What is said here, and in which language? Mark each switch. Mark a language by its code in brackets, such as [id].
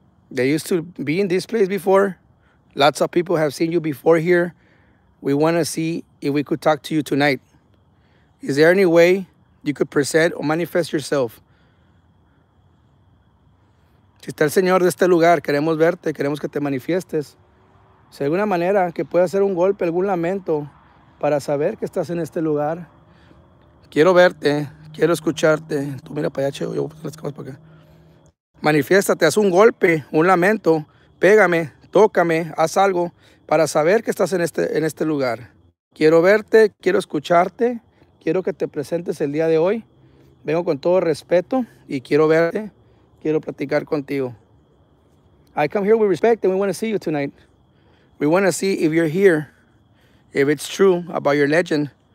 [en] They used to be in this place before. Lots of people have seen you before here. We want to see if we could talk to you tonight. Is there any way you could present or manifest yourself? [es] Si está el señor de este lugar, queremos verte, queremos que te manifiestes. Si hay alguna manera que pueda hacer un golpe, algún lamento, para saber que estás en este lugar. Quiero verte, quiero escucharte. Tú mira para allá, Cheo, yo voy a poner las cosas para acá. Manifiéstate, haz un golpe, un lamento, pégame, tócame, haz algo para saber que estás en este lugar. Quiero verte, quiero escucharte, quiero que te presentes el día de hoy. Vengo con todo respeto y quiero verte, quiero platicar contigo. [en] I come here with respect and we want to see you tonight. We want to see if you're here, if it's true about your legend.